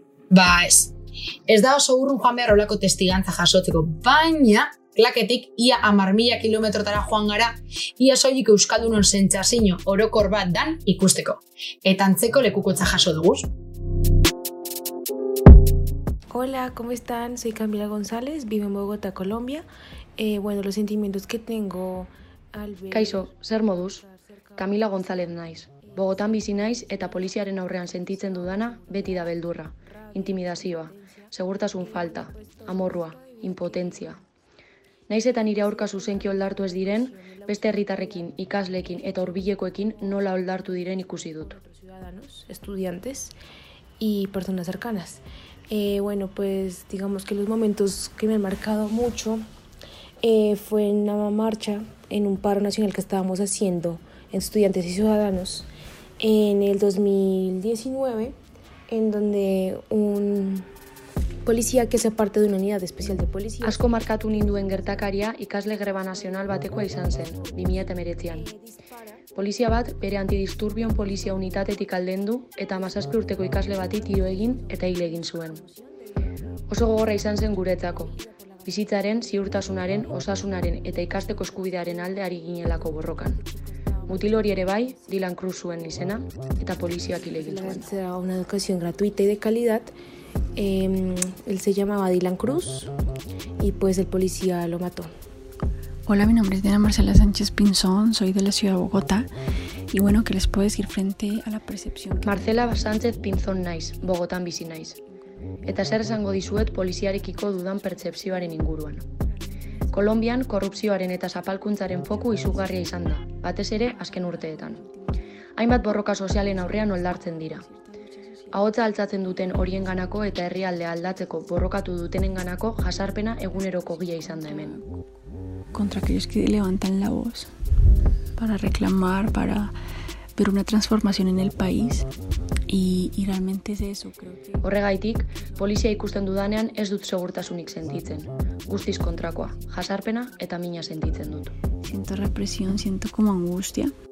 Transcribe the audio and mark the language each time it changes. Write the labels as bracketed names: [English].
[Basque] Ba, ez da oso urrun joan behar olako testigantza jasotzeko, baina klaketik ia 10.000 kilometrotara joan gara, ia soilik euskaldunon sentsazio orokor bat dan ikusteko. Eta antzeko lekukotza jaso dugu. [Spanish] Hola, ¿cómo están? Soy Camila González, vivo en Bogotá, Colombia. Bueno, los sentimientos que tengo al ver... [Basque] Kaixo, zer moduz? Camila González naiz. Bogotan bizi naiz eta poliziaren aurrean sentitzen dudana beti da beldurra, intimidazioa, segurtasun falta, amorrua, impotentzia. Naiz eta nire aurka zuzenki oldartu ez diren, beste herritarrekin, ikasleekin eta hurbilekoekin nola oldartu diren ikusi dut. [Spanish] Ciudadanos, estudiantes y personas cercanas. Bueno, pues digamos que los momentos que me han marcado mucho fue en una marcha, en un paro nacional que estábamos haciendo en Estudiantes y Ciudadanos en el 2019, en donde un policía que se parte de una unidad especial de policía. [Basque] Asko markatu ninduen gertakaria ikasle greba nazional batekoa izan zen, 2019. Polizia bat bere antidisturbion polizia unitatetik aldendu eta 17 urteko ikasle bati tiro egin eta hil egin zuen. Oso gogorra izan zen guretzako, bizitzaren, ziurtasunaren, osasunaren eta ikasteko eskubidearen alde ari ginelako borrokan. Mutil hori ere bai, Dylan Cruz zuen izena eta poliziak hil egin zuen. [Spanish] Zera una educación gratuita y de calidad. Él se llamaba Dylan Cruz y pues el policía lo mató. Hola, mi nombre es Diana Marcela Sánchez Pinzón, soy de la ciudad de Bogotá y bueno, ¿qué les puedo decir frente a la percepción? [Basque] Marcela Sánchez Pinzón naiz, Bogotán bizi naiz. Eta zer esango dizuet poliziarekiko dudan percepzioaren inguruan. Kolombian korrupzioaren eta zapalkuntzaren foku izugarria izan da, batez ere azken urteetan. Hainbat borroka sozialen aurrean oldartzen dira. Ahotza altzatzen duten horienganako eta herrialdea aldatzeko borrokatu dutenenganako jasarpena eguneroko gila izan da hemen. [Spanish] Contra aquellos que levantan la voz para reclamar, para ver una transformación en el país y realmente es eso, creo que. [Basque] Horregaitik, polizia ikusten dudanean ez dut segurtasunik sentitzen. Guztiz kontrakoa, jasarpena eta mina sentitzen dut. [Spanish] Siento represión, siento como angustia.